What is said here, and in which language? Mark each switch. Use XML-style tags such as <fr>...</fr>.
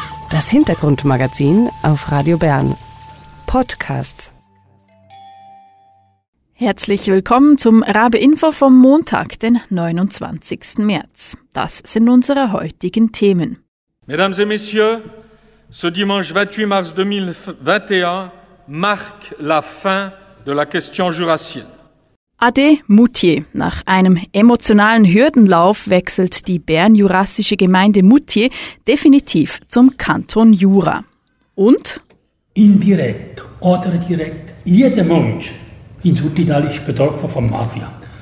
<de>Das Hintergrundmagazin auf Radio Bern. Podcast. Herzlich willkommen zum Rabe Info vom Montag, den 29. März. Das sind unsere heutigen Themen.</de> <fr>Mesdames et Messieurs, ce dimanche 28 mars 2021 marque la fin de la question jurassienne.</fr> <de>Ade Moutier. Nach einem emotionalen Hürdenlauf wechselt die bernjurassische Gemeinde Moutier definitiv zum Kanton Jura. Und? Indirekt oder direkt, jeder Mensch in Südtirol ist getroffen von Mafia.</de>